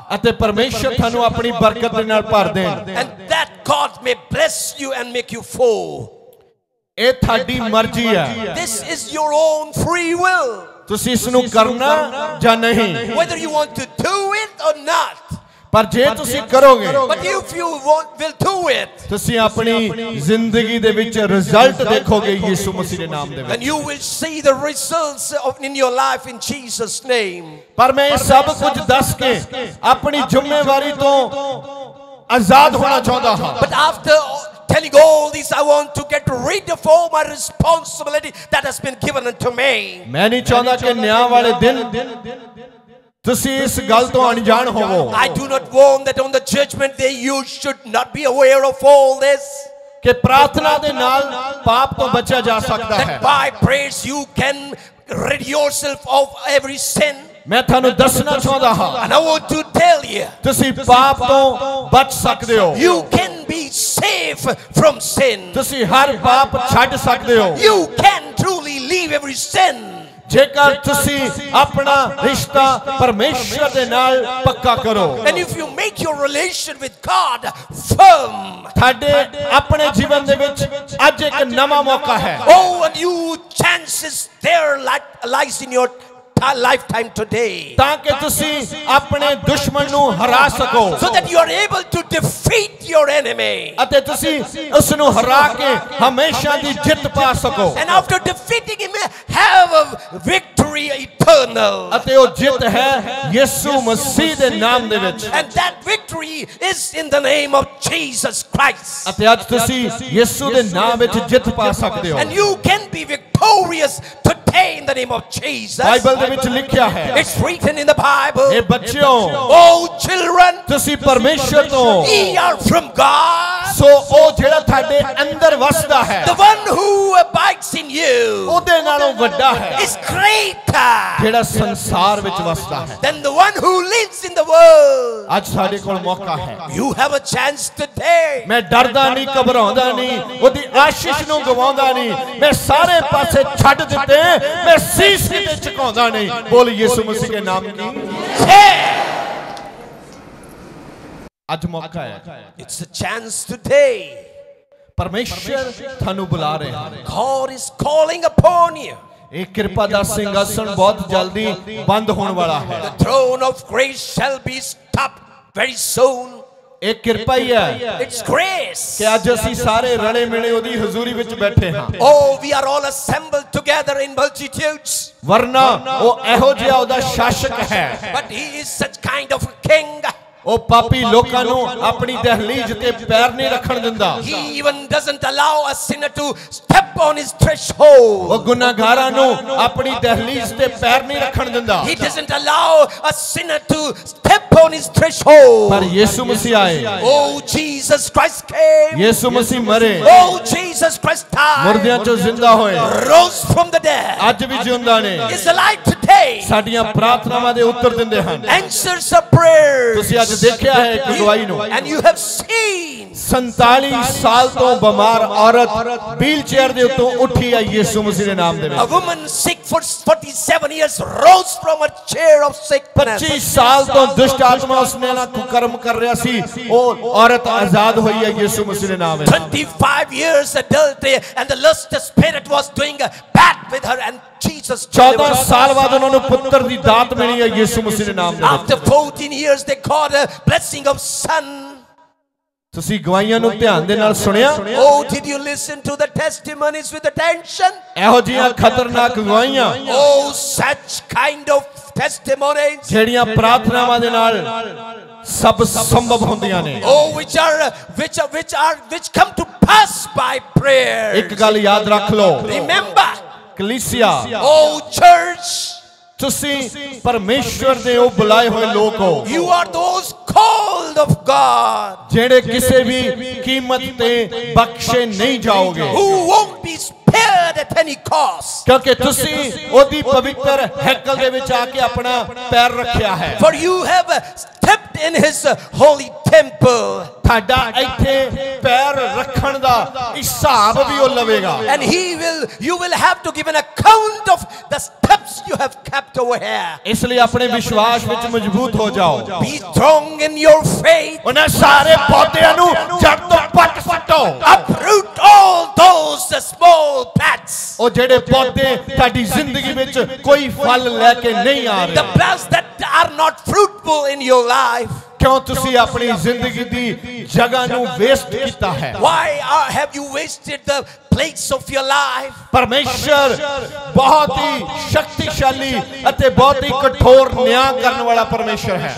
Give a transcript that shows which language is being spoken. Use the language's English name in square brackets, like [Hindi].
[Punjabi] ate parmeshwar thanu apni barkat de naal bhar den [English] and that god may bless you and make you full [Punjabi] ਇਹ ਤੁਹਾਡੀ ਮਰਜ਼ੀ ਹੈ [English] this is your own free will [Punjabi] ਤੁਸੀਂ ਇਸ ਨੂੰ ਕਰਨਾ ਜਾਂ ਨਹੀਂ [English] whether you want to do it or not [Punjabi] ਪਰ ਜੇ ਤੁਸੀਂ ਕਰੋਗੇ [English] but if you will do it [Punjabi] ਤੁਸੀਂ ਆਪਣੀ ਜ਼ਿੰਦਗੀ ਦੇ ਵਿੱਚ ਰਿਜ਼ਲਟ ਦੇਖੋਗੇ ਯਿਸੂ ਮਸੀਹ ਦੇ ਨਾਮ ਦੇ ਵਿੱਚ [English] and you will see the results of in your life in Jesus name [Punjabi] ਪਰ ਮੈਂ ਸਭ ਕੁਝ ਦੱਸ ਕੇ ਆਪਣੀ ਜ਼ਿੰਮੇਵਾਰੀ ਤੋਂ ਆਜ਼ਾਦ ਹੋਣਾ ਚਾਹੁੰਦਾ ਹਾਂ [English] but after telling all this I want to get rid of all my responsibility that has been given unto me [Punjabi] many chanda ke nyaa wale din tusi is gal ton anjaan hovo [English] I do not want that on the judgment day you should not be aware of all this [Punjabi] ke prarthna de naal paap ton bacha ja sakda hai [English] by prayers you can rid yourself of every sin [Punjabi] ਮੈਂ ਤੁਹਾਨੂੰ ਦੱਸਣਾ ਚਾਹੁੰਦਾ ਹਾਂ ਤੁਸੀਂ ਪਾਪ ਤੋਂ ਬਚ ਸਕਦੇ ਹੋ [English] you can be safe from sin [Punjabi] ਤੁਸੀਂ ਹਰ ਪਾਪ ਛੱਡ ਸਕਦੇ ਹੋ [English] you can truly leave every sin [Punjabi] ਜੇਕਰ ਤੁਸੀਂ ਆਪਣਾ ਰਿਸ਼ਤਾ ਪਰਮੇਸ਼ਰ ਦੇ ਨਾਲ ਪੱਕਾ ਕਰੋ [English] and if you make your relation with God firm [Punjabi] ਤੁਹਾਡੇ ਆਪਣੇ ਜੀਵਨ ਦੇ ਵਿੱਚ ਅੱਜ ਇੱਕ ਨਵਾਂ ਮੌਕਾ ਹੈ [English] oh and you chances there lies in your a lifetime today [Punjabi] ਤਾਂ ਕਿ ਤੁਸੀਂ ਆਪਣੇ ਦੁਸ਼ਮਣ ਨੂੰ ਹਰਾ ਸਕੋ [English] so that you are able to defeat your enemy [Punjabi] ਅਤੇ ਤੁਸੀਂ ਉਸ ਨੂੰ ਹਰਾ ਕੇ ਹਮੇਸ਼ਾ ਦੀ ਜਿੱਤ ਪਾ ਸਕੋ [English] and after defeating him have a victory eternal [Punjabi] ਅਤੇ ਉਹ ਜਿੱਤ ਹੈ ਯਿਸੂ ਮਸੀਹ ਦੇ ਨਾਮ ਦੇ ਵਿੱਚ [English] and that victory is in the name of Jesus Christ [Punjabi] ਅਤੇ ਅੱਜ ਤੁਸੀਂ ਯਿਸੂ ਦੇ ਨਾਮ ਵਿੱਚ ਜਿੱਤ ਪਾ ਸਕਦੇ ਹੋ [English] and you can be victorious today in the name of Jesus [Punjabi] Bible ਦੇ ਵਿੱਚ ਲਿਖਿਆ ਹੈ [English] it's written in the bible [Punjabi] ਇਹ ਬੱਚਿਓ [English] oh children [Punjabi] ਤੁਸੀਂ ਪਰਮੇਸ਼ਰ ਤੋਂ [English] we are from god [Punjabi] so ਉਹ ਜਿਹੜਾ ਤੁਹਾਡੇ ਅੰਦਰ ਵਸਦਾ ਹੈ [English] the one who abides in you [Punjabi] ਉਹਦੇ ਨਾਲੋਂ ਵੱਡਾ ਹੈ [English] is greater [Punjabi] ਜਿਹੜਾ ਸੰਸਾਰ ਵਿੱਚ ਵਸਦਾ ਹੈ [English] than the one who lives in the world [Punjabi] ਅੱਜ ਸਾਡੇ ਕੋਲ ਮੌਕਾ ਹੈ [English] you have a chance today [Punjabi] ਮੈਂ ਡਰਦਾ ਨਹੀਂ ਘਬਰਾਉਂਦਾ ਨਹੀਂ ਉਹਦੀ ਆਸ਼ੀਸ਼ ਨੂੰ ਗਵਾਉਂਦਾ ਨਹੀਂ ਮੈਂ ਸਾਰੇ ਪਾਸੇ ਛੱਡ ਦਿੱਤੇ ਮੈਂ ਸੀਸ ਕਿਤੇ ਝੁਕਾਉਂਦਾ ਨਹੀਂ ਬੋਲ ਯਿਸੂ ਮਸੀਹ ਦੇ ਨਾਮ ਕੀ ਅੱਜ ਮੌਕਾ ਹੈ [English] it's a chance today [Punjabi] ਪਰਮੇਸ਼ਰ ਤੁਹਾਨੂੰ ਬੁਲਾ ਰਿਹਾ [English] ਹੈ God is calling upon you [Punjabi] ਇਹ ਕਿਰਪਾ ਦਾ ਸਿੰਘਾਸਨ ਬਹੁਤ ਜਲਦੀ ਬੰਦ ਹੋਣ ਵਾਲਾ ਹੈ. [English] The throne of grace shall be stopped very soon. [Punjabi] ਇਹ ਕਿਰਪਾ ਹੀ ਹੈ. [English] It's grace. [Punjabi] ਕਿ ਅੱਜ ਅਸੀਂ ਸਾਰੇ ਰਲੇ ਮਿਲੇ ਉਹਦੀ ਹਜ਼ੂਰੀ ਵਿੱਚ ਬੈਠੇ ਹਾਂ. [English] Oh, we are all assembled together in multitudes. [Punjabi] ਵਰਨਾ ਉਹ ਇਹੋ ਜਿਹਾ ਉਹਦਾ ਸ਼ਾਸਕ ਹੈ. [English] But he is such kind of a king. [Punjabi] ਉਹ ਪਾਪੀ ਲੋਕਾਂ ਨੂੰ ਆਪਣੀ ਦਹਲੀਜ਼ ਤੇ ਪੈਰ ਨਹੀਂ ਰੱਖਣ ਦਿੰਦਾ. [English] He even doesn't allow a sinner to step on his threshold. [Punjabi] ਉਹ ਗੁਨਾਹਗਾਰਾਂ ਨੂੰ ਆਪਣੀ ਦਹਲੀਜ਼ ਤੇ ਪੈਰ ਨਹੀਂ ਰੱਖਣ ਦਿੰਦਾ. [English] He doesn't allow a sinner to step on his threshold. [Punjabi] ਪਰ ਯਿਸੂ ਮਸੀਹ ਆਏ. [English] Oh Jesus Christ came. [Punjabi] ਯਿਸੂ ਮਸੀਹ ਮਰੇ. [English] Oh Jesus Christ died. [Punjabi] ਮਰਦਿਆਂ ਚੋਂ ਜ਼ਿੰਦਾ ਹੋਏ. [English] Rose from the dead. [Punjabi] ਅੱਜ ਵੀ ਜਿਉਂਦਾ ਨੇ. [English] Is alive today. [Punjabi] ਸਾਡੀਆਂ ਪ੍ਰਾਰਥਨਾਵਾਂ ਦੇ ਉੱਤਰ ਦਿੰਦੇ ਹਨ. [English] Answers the prayers. [Punjabi] ਦੇਖਿਆ ਹੈ ਇੱਕ ਦਵਾਈ ਨੂੰ. [English] And you have seen [Punjabi] 47 ਸਾਲ ਤੋਂ ਬਿਮਾਰ ਔਰਤ ਵੀਲ ਚੇਅਰ ਦੇ ਉੱਤੋਂ ਉੱਠੀ ਆਈ ਯਿਸੂ ਮਸੀਹ ਦੇ ਨਾਮ ਦੇ ਵਿੱਚ. [English] A woman sick for 47 years rose from a chair of sickness. [Punjabi] 25 ਸਾਲ ਤੋਂ ਦੁਸ਼ਟ ਆਤਮਾ ਉਸ ਨੇ ਨਾਲ ਕੁਕਰਮ ਕਰ ਰਿਹਾ ਸੀ, ਉਹ ਔਰਤ ਆਜ਼ਾਦ ਹੋਈ ਹੈ ਯਿਸੂ ਮਸੀਹ ਦੇ ਨਾਮ ਵਿੱਚ. [English] 25 years adultery and the lust spirit was doing a bad with her and Jesus. [Punjabi] 14 ਸਾਲ ਬਾਅਦ ਉਹਨਾਂ ਨੂੰ ਪੁੱਤਰ ਦੀ ਦਾਤ ਮਿਲੀ ਹੈ ਯਿਸੂ ਮਸੀਹ ਦੇ ਨਾਮ ਦੇ ਵਿੱਚ. [English] After 14 years they caught a blessing of son. [Punjabi] ਤੁਸੀਂ ਗਵਾਈਆਂ ਨੂੰ ਧਿਆਨ ਦੇ ਨਾਲ ਸੁਣਿਆ? [English] Oh did you listen to the testimonies with attention? [Punjabi] ਇਹੋ ਜਿਹੀਆਂ ਖਤਰਨਾਕ ਗਵਾਈਆਂ. [English] Oh such kind of testimonies. [Punjabi] ਜਿਹੜੀਆਂ ਪ੍ਰਾਰਥਨਾਵਾਂ ਦੇ ਨਾਲ ਸਭ ਸੰਭਵ ਹੁੰਦੀਆਂ ਨੇ. [English] Oh which come to pass by prayer. [Punjabi] ਇੱਕ ਗੱਲ ਯਾਦ ਰੱਖ ਲਓ. [English] Remember. [Punjabi] ਕਲੀਸਿਆ. [English] Oh church. [Punjabi] ਤੁਸੀਂ ਪਰਮੇਸ਼ਵਰ ਦੇ ਉਹ ਬੁਲਾਏ ਹੋਏ ਲੋਕ ਹੋ. [English] You are those called of God. [Punjabi] ਜਿਹੜੇ ਕਿਸੇ ਵੀ ਕੀਮਤ ਤੇ ਬਖਸ਼ੇ ਨਹੀਂ ਜਾਓਗੇ. [English] Who won't be spared at any cost. [Punjabi] ਕਿਉਂਕਿ ਤੁਸੀਂ ਉਹਦੀ ਪਵਿੱਤਰ ਹੈਕਲ ਦੇ ਵਿੱਚ ਆ ਕੇ ਆਪਣਾ ਪੈਰ ਰੱਖਿਆ ਹੈ. [English] For you have stepped in his holy temple. [Punjabi] ਤੁਹਾਡਾ ਇੱਥੇ ਪੈਰ ਰੱਖਣ ਦਾ ਹਿਸਾਬ ਵੀ ਉਹ ਲਵੇਗਾ. [English] And he will you will have to give an account of the steps you have kept over here. [Punjabi] ਇਸ ਲਈ ਆਪਣੇ ਵਿਸ਼ਵਾਸ ਵਿੱਚ ਮਜ਼ਬੂਤ ਹੋ ਜਾਓ. [English] Be strong in your faith. [Punjabi] ਉਹਨਾਂ ਸਾਰੇ ਪੌਦਿਆਂ ਨੂੰ ਜੜ੍ਹ ਤੋਂ ਪੱਟ ਸੱਟੋ. [English] Uproot all those small plants. [Punjabi] ਉਹ ਜਿਹੜੇ ਪੌਦੇ ਤੁਹਾਡੀ ਜ਼ਿੰਦਗੀ ਵਿੱਚ ਕੋਈ ਫਲ ਲੈ ਕੇ ਨਹੀਂ ਆ ਰਹੇ. [English] The plants that are not fruitful in your life. [Punjabi] ਕਿਉਂ ਤੁਸੀਂ ਆਪਣੀ ਜ਼ਿੰਦਗੀ ਦੀ ਜਗ੍ਹਾ ਨੂੰ ਵੇਸਟ ਕੀਤਾ ਹੈ? [English] Why have you wasted the place of your life? [Punjabi] ਪਰਮੇਸ਼ਰ ਬਹੁਤ ਹੀ ਸ਼ਕਤੀਸ਼ਾਲੀ ਅਤੇ ਬਹੁਤ ਹੀ ਕਠੋਰ ਨਿਆਂ ਕਰਨ ਵਾਲਾ ਪਰਮੇਸ਼ਰ ਹੈ.